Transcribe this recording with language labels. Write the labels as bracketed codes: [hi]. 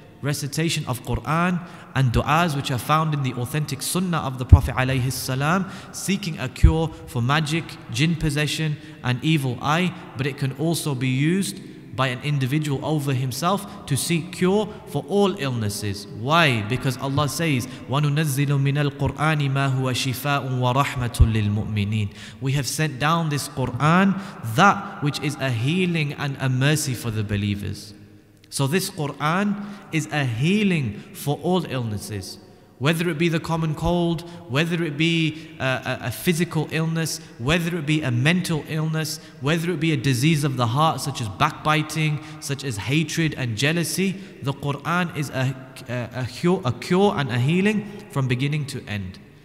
[en] recitation of Quran and du'as which are found in the authentic sunnah of the Prophet alayhi salam, seeking a cure for magic, jinn possession and evil eye, but it can also be used by an individual over himself to seek cure for all illnesses. Why? Because Allah says, [ar] وَنُنَزِّلُ مِنَ الْقُرْآنِ مَا هُوَ شِفَاءٌ وَرَحْمَةٌ لِلْمُؤْمِنِينَ. [en] We have sent down this Qur'an, that which is a healing and a mercy for the believers. So this Qur'an is a healing for all illnesses. Whether it be the common cold, whether it be a physical illness, whether it be a mental illness, whether it be a disease of the heart such as backbiting, such as hatred and jealousy, the Qur'an is a cure and a healing from beginning to end.